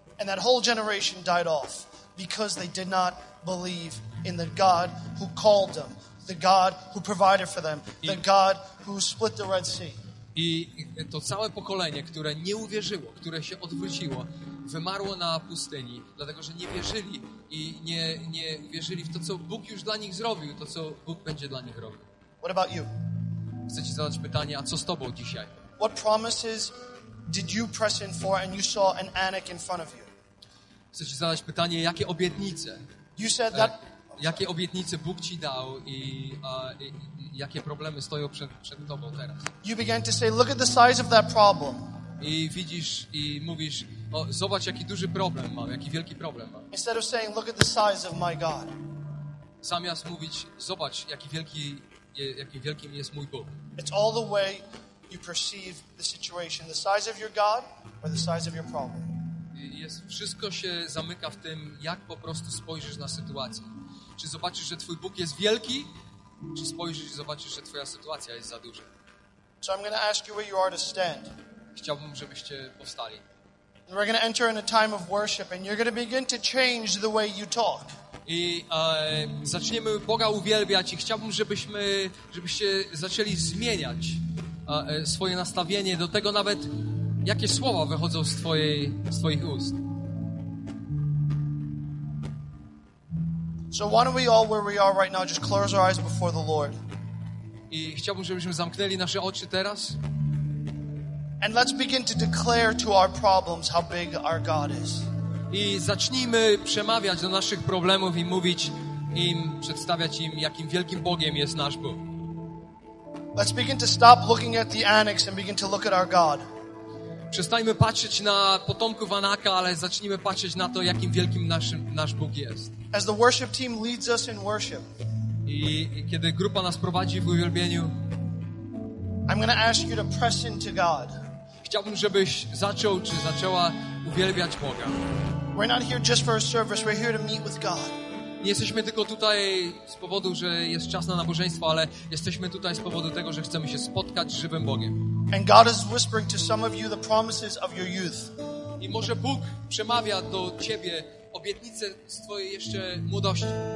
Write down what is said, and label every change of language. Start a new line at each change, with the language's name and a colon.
English: And that whole generation died off because they did not believe in the God who called them, the God who provided for them, the God who split the Red Sea.
Polish: I to całe pokolenie, które nie uwierzyło, które się odwróciło, wymarło na pustyni, dlatego że nie wierzyli i nie wierzyli w to, co Bóg już dla nich zrobił, to co Bóg będzie dla nich robił.
English: What about you?
Polish: chcę ci zadać pytanie, a co z tobą dzisiaj?
English: What promises did you press in for and you saw an Anak in front of you?
Polish: Chcę ci zadać pytanie, jakie obietnice?
English: You said that...
Polish: Jakie obietnice Bóg ci dał i jakie problemy stoją przed tobą teraz?
English: You began to say, look at the size of that problem.
Polish: I widzisz i mówisz, o, zobacz jaki duży problem mam, jaki wielki problem mam.
English: Instead of saying, look at the size of my God.
Polish: Zamiast mówić, zobacz jaki wielkim jest mój Bóg.
English: It's all the way you perceive the situation, the size of your God or the size of your problem.
Polish: Jest, wszystko się zamyka w tym, jak po prostu spojrzysz na sytuację. Czy zobaczysz, że twój Bóg jest wielki, czy spojrzysz i zobaczysz, że twoja sytuacja jest za duża.
English: So I'm going to ask you where you are to stand.
Polish: Chciałbym, żebyście powstali.
English: And we're going to enter in a time of worship and you're going to begin to change the way you talk.
Polish: I zaczniemy Boga uwielbiać i chciałbym, żebyście zaczęli zmieniać swoje nastawienie do tego nawet, jakie słowa wychodzą z twoich ust.
English: So why don't we all where we are right now just close our eyes before the Lord.
Polish: I chciałbym, żebyśmy zamknęli nasze oczy teraz.
English: And let's begin to declare to our problems how big our God is.
Polish: I zacznijmy przemawiać do naszych problemów i mówić im, przedstawiać im, jakim wielkim Bogiem jest nasz Bóg.
English: Let's begin to stop looking at the Anak and begin to look at our God.
Polish: Przestańmy patrzeć na potomków Anaka, ale zacznijmy patrzeć na to, jakim wielkim nasz Bóg jest.
English: As the worship team leads us in worship.
Polish: I kiedy grupa nas prowadzi w uwielbieniu,
English: I'm going to ask you to press into God.
Polish: Chciałbym, żebyś zaczął czy zaczęła uwielbiać Boga.
English: We're not here just for a service, we're here to meet with God.
Polish: Nie jesteśmy tylko tutaj z powodu, że jest czas na nabożeństwo, ale jesteśmy tutaj z powodu tego, że chcemy się spotkać z żywym Bogiem.
English: And God is whispering to some of you the promises of your youth.
Polish: I może Bóg przemawia do ciebie obietnice z twojej jeszcze młodości.